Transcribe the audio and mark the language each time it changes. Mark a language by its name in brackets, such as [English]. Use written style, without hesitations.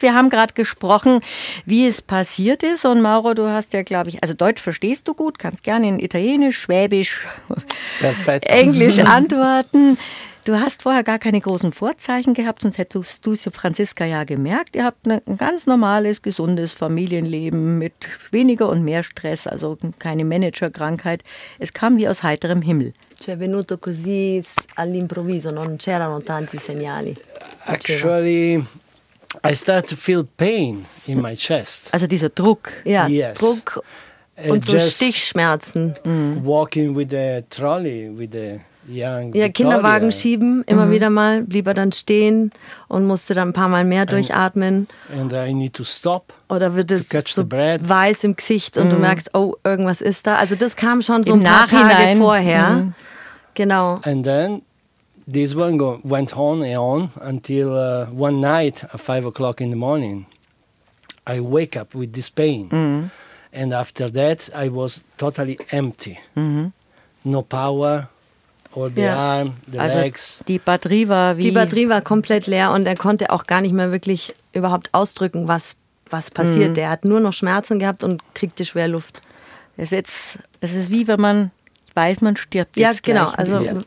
[German] Wir haben gerade gesprochen, wie es passiert ist. Und Mauro, du hast ja, glaube ich, also Deutsch verstehst du gut, kannst gerne in Italienisch, Schwäbisch, Englisch antworten. Du hast vorher gar keine großen Vorzeichen gehabt, sonst hättest du es, Franziska, ja gemerkt. Ihr habt ein ganz normales, gesundes Familienleben mit weniger und mehr Stress, also keine Managerkrankheit. Es kam wie aus heiterem Himmel. [Italian] Cioè, venuto così all'improvviso, non c'erano tanti segnali. [English] Actually, I start to feel pain in my chest. [German] Also dieser Druck. Ja, yes. Druck und so Stichschmerzen. [English] Walking with the trolley, with the young Victoria. [German] Ja, Kinderwagen schieben, immer wieder mal, blieb er dann stehen und musste dann ein paar Mal mehr durchatmen. [English] And I need to stop. [German] Oder wird es so weiß im Gesicht und du merkst, oh, irgendwas ist da. Also das kam schon so im ein paar Nachhinein. Tage vorher. Genau. [English] And then this one went on and on until one night at 5:00 in the morning. I wake up with this pain. And after that I was totally empty. No power. Or the arm, the [German] also [English] legs. [German] Die Batterie war wie? Die Batterie war komplett leer und er konnte auch gar nicht mehr wirklich überhaupt ausdrücken, was passiert. Der hat nur noch Schmerzen gehabt und kriegte schwer Luft. Es ist wie wenn man weiß, man stirbt ja, jetzt genau, gleich. Also